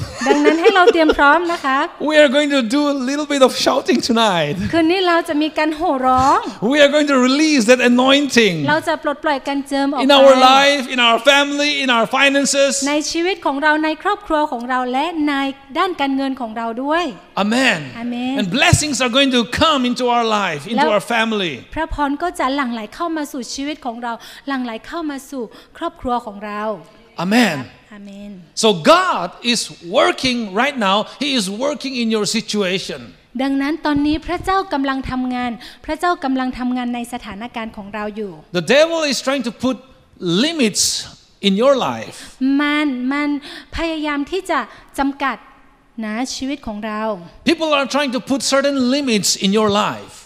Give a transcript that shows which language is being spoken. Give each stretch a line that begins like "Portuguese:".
Thai: ดังนั้นให้เราเตรียมพร้อมนะคะ
English: We are going to do a little bit of shouting tonight
Thai: คืนนี้เราจะมีการโห่ร้อง
English: We are going to release that anointing
Thai: เราจะปลดปล่อยการเจิมออกไป
English: In our life in our family in our finances
Thai: ในชีวิตของเราในครอบครัวของเราและในด้านการเงินของเราด้วย
English: Amen And blessings are going to come into our life into our family
Thai: พระพรก็จะหลั่งไหลเข้ามาสู่ชีวิตของเราหลั่งไหลเข้ามาสู่ครอบครัวของเรา
English: Amen Amen. So God is working right now. He is working in your situation.
Thai: ดังนั้นตอนนี้พระเจ้ากำลังทำงานพระเจ้ากำลังทำงานในสถานการณ์ของเราอยู่
English: The devil is trying to put limits in your life.
Thai: มันพยายามที่จะจำกัดนะชีวิตของเรา
English: People are trying to put certain limits in your life.